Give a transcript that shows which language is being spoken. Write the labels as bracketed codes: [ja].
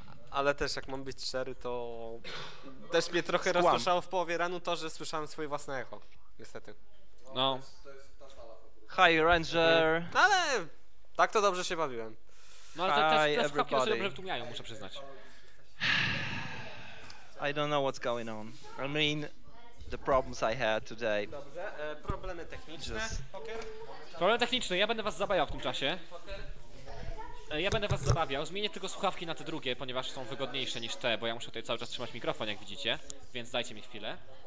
[pl] Ale też, jak mam być szczery, to też mnie trochę rozruszało w połowie ranu to, że słyszałem swoje własne echo, niestety. No. [en] Hi, Ranger! [pl] Ale tak to dobrze się bawiłem. No, ale te skoki osoby dobrze wytłumiają, muszę przyznać. [en] I don't know what's going on. I mean, the problems I had today. [pl] Dobrze, problemy techniczne. Problemy techniczne, ja będę was zabawiał w tym czasie. Ja będę was zabawiał, zmienię tylko słuchawki na te drugie, ponieważ są wygodniejsze niż te, bo ja muszę tutaj cały czas trzymać mikrofon, jak widzicie, więc dajcie mi chwilę.